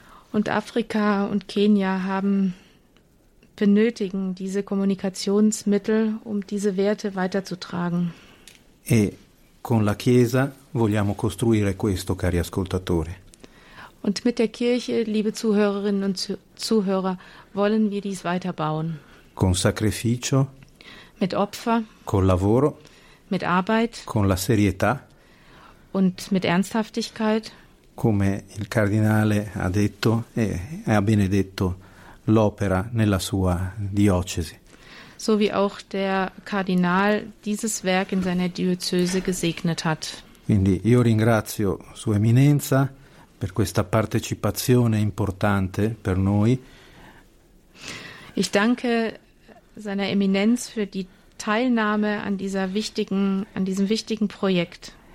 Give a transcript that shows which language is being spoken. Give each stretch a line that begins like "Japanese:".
German: Und Afrika und Kenia benötigen diese Kommunikationsmittel, um diese Werte weiterzutragen.
Italian: E con la Chiesa vogliamo costruire questo, cari ascoltatori.
German: Und mit der Kirche, liebe Zuhörerinnen und Zuhörer, wollen wir dies weiterbauen.
Italian: Con sacrificio.
German: Mit Opfer.
Italian: Col lavoro.
German: Mit Arbeit.
Italian: Con la serietà.
German: Und mit Ernsthaftigkeit.
Italian: Come il Cardinale ha detto e ha benedetto l'opera nella sua diocesi.
German: So wie auch der Kardinal dieses Werk in seiner Diözese gesegnet hat.
Italian: Quindi io ringrazio Sua Eminenza per questa partecipazione importante per noi.
German: Ich danke seiner Eminenz für die Teilnahme an diesem wichtigen Projekt.